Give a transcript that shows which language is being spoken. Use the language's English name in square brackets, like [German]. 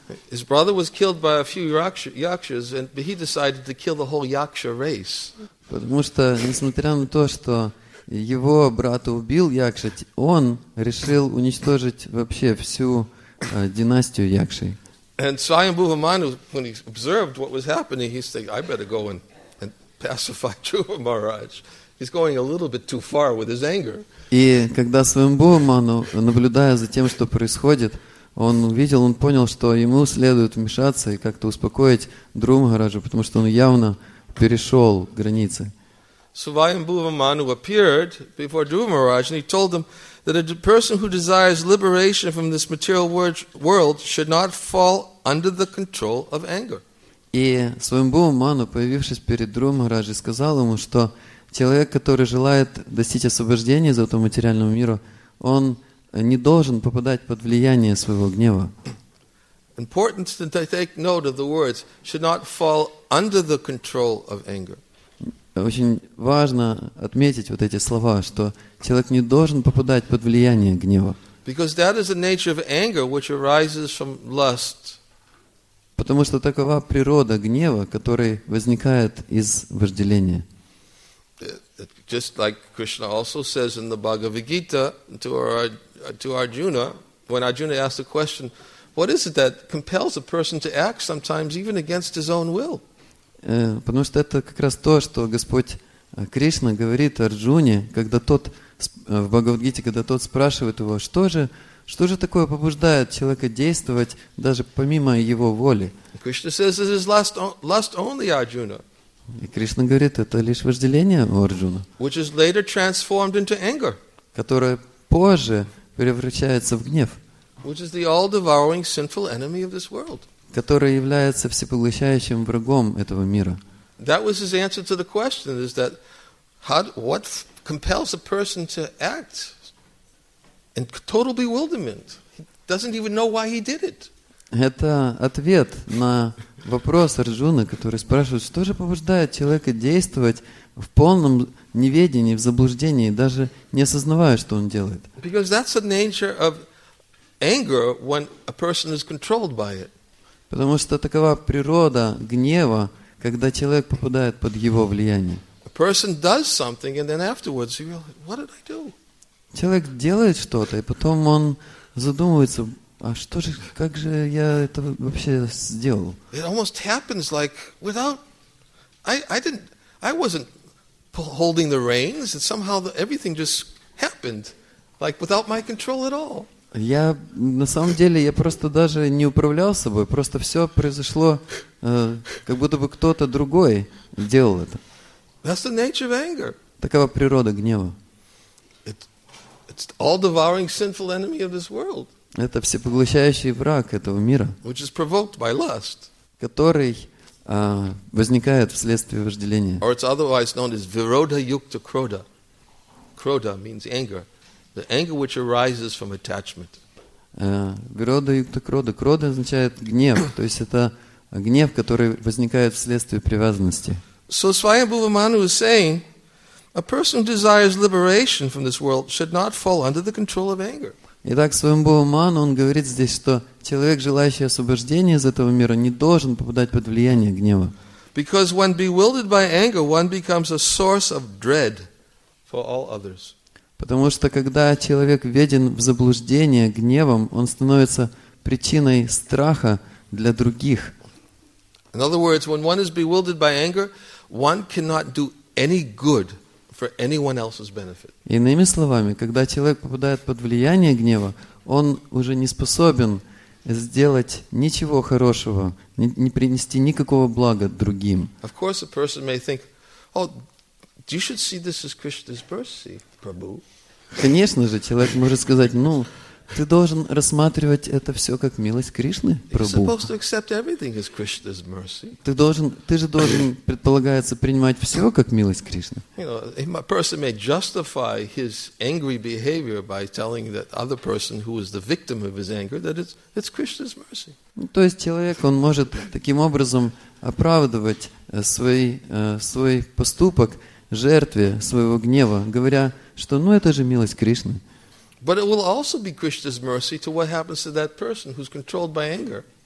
[English] His brother was killed by a few yakshas, and he decided to kill the whole yaksha race. [Russian] Потому что, несмотря на то, что его брата убил якша, он решил уничтожить вообще всю династию якшей. [English] And Svayambhuva Manu, when he observed what was happening, he said, "I better go and pacify Dhruva Maharaj. He's going a little bit too far with his anger." [Russian] И когда Свайамбхува Ману, наблюдая за тем, что происходит, он увидел, он понял, что ему следует вмешаться и как-то успокоить Дхрува Махараджа, потому что он явно перешел границы. [English] Свайамбхува Ману appeared before Dhruva Maharaj, and he told him that a person who desires liberation from this material world should not fall under the control of anger. [Russian] И Свайамбхува Ману, появившись перед Дхрува Махараджа, сказал ему, что человек, который желает достичь освобождения из этого материального мира, он не должен попадать под влияние своего гнева. [English] Important to take note of the words should not fall under the control of anger. [Russian] Очень важно отметить вот эти слова, что человек не должен попадать под влияние гнева. [English] Because that is the nature of anger which arises from lust. [Russian] Потому что такова природа гнева, который возникает из вожделения. [English] Just like Krishna also says in the Bhagavad Gita to Arjuna, when Arjuna asked the question, what is it that compels a person to act sometimes even against his own will? [Russian] Потому что это как раз то, что Господь Кришна говорит Арджуне, когда тот в Бхагавад Гите, когда тот спрашивает его, что же такое побуждает человека действовать даже помимо его воли? [English] Krishna says it is lust only, Arjuna. [Russian] И Кришна говорит, это лишь вожделение у Арджуна, [English] which is later transformed into anger, [Russian] которое позже превращается в гнев, [English] which is the all-devouring sinful enemy of this world, [Russian] которое является всепоглощающим врагом этого мира. [English] That was his answer to the question, is that what compels a person to act in total bewilderment? He doesn't even know why he did it. [Russian] Это ответ на вопрос Арджуны, который спрашивает, что же побуждает человека действовать в полном неведении, в заблуждении, даже не осознавая, что он делает. [English] Because that's the nature of anger when a person is controlled by it. [Russian] Потому что такова природа гнева, когда человек попадает под его влияние. [English] A person does something and then afterwards you realize, what did I do? [Russian] Человек делает что-то, и потом он задумывается, а что же, как же я это вообще сделал? [English] It almost happens like without, I wasn't holding the reins, and somehow everything just happened, like without my control at all. [Russian] Я на самом деле я просто даже не управлял собой, просто все произошло, как будто бы кто-то другой делал это. [English] That's the nature of anger. [Russian] Такова природа гнева. [English] It's all-devouring sinful enemy of this world. [Russian] Это всепоглощающий враг этого мира, [English] which is provoked by lust, [Russian] который возникает вследствие вожделения. [English] Or it's otherwise known as virodha yukta krodha. Krodha means anger. The anger which arises from attachment. [Sanskrit] Грода юкта крода. [Russian] Крода означает гнев, то есть это гнев, который возникает вследствие привязанности. [English] So Swayambhuvamanu is saying, a person who desires liberation from this world should not fall under the control of anger. [Russian] Итак, Свамбхуману, он говорит здесь, что человек, желающий освобождения из этого мира, не должен попадать под влияние гнева. [English] Because when bewildered by anger, one becomes a source of dread for all others. [Russian] Потому что когда человек введен в заблуждение гневом, он становится причиной страха для других. [English] In other words, when one is bewildered by anger, one cannot do any good for anyone else's benefit. [Russian] Иными словами, когда человек попадает под влияние гнева, он уже не способен сделать ничего хорошего, не принести никакого блага другим. [English] Of course, a person may think, "Oh, you should see this as Krishna's mercy, Prabhu." [Russian] Конечно же, человек может сказать: "Ну, ты должен рассматривать это все как милость Кришны, Прабху." [English] You're supposed to accept everything as Krishna's mercy. [Russian] Ты же должен предполагается принимать все как милость Кришны. [English] You know, a person may justify his angry behavior by telling that other person who is the victim of his anger that it's Krishna's mercy. [Russian] То есть человек, он может таким образом оправдывать свой поступок жертве своего гнева, говоря, что, ну, это же милость Кришны. [English] But it will also be Krishna's mercy to what happens to that person who's controlled by anger.